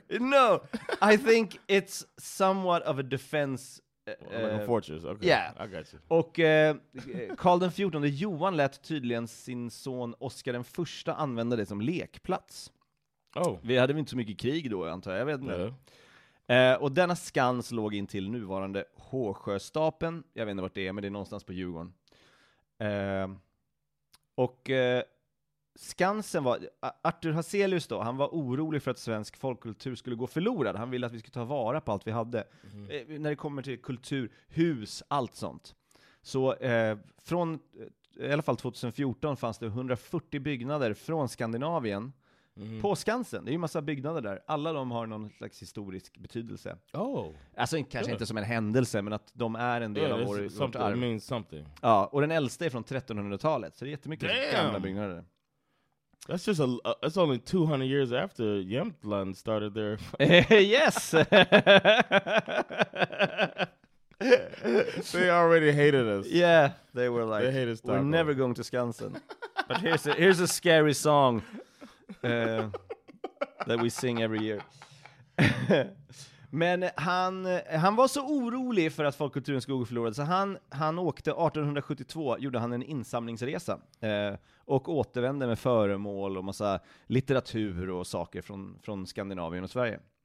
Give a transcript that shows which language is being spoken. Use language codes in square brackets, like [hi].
[en] No, I think it's somewhat of a defense. Like a fortress. Okay. Yeah, I got you. [sv] Och Karl den 14:e Johan lät tydligen sin son Oscar den första använda det som lekplats. [en] Oh. [sv] Vi hade väl inte så mycket krig då, antar jag. Jag vet inte. [en] Yeah. [sv] Och denna skans låg in till nuvarande Håsjöstapeln. Jag vet inte vart det är, men det är någonstans på Djurgården. Och skansen var Arthur Hazelius då, han var orolig för att svensk folkkultur skulle gå förlorad. Han ville att vi skulle ta vara på allt vi hade. Mm. När det kommer till kultur, hus, allt sånt. Så från i alla fall 2014 fanns det 140 byggnader från Skandinavien på Skansen. Det är ju massa byggnader där. Alla de har någon slags historisk betydelse. [en] Oh. [sv] Alltså kanske inte som en händelse, men att de är en del av vårt arv. [en] It means something. [sv] Ja, och den äldsta är från 1300-talet. Så det är jättemycket gamla byggnader. [en] That's just that's only 200 years after Jämtland started there. Yes. They already hated us. Yeah, they were like, they hate us, we're never going to Skansen. But here's a scary song that we sing every year. [sv] Men han var så orolig för att folkkulturen skulle gå förlorad. Så han åkte 1872, gjorde han en insamlingsresa. Och återvände med föremål och massa litteratur och saker från Skandinavien och Sverige.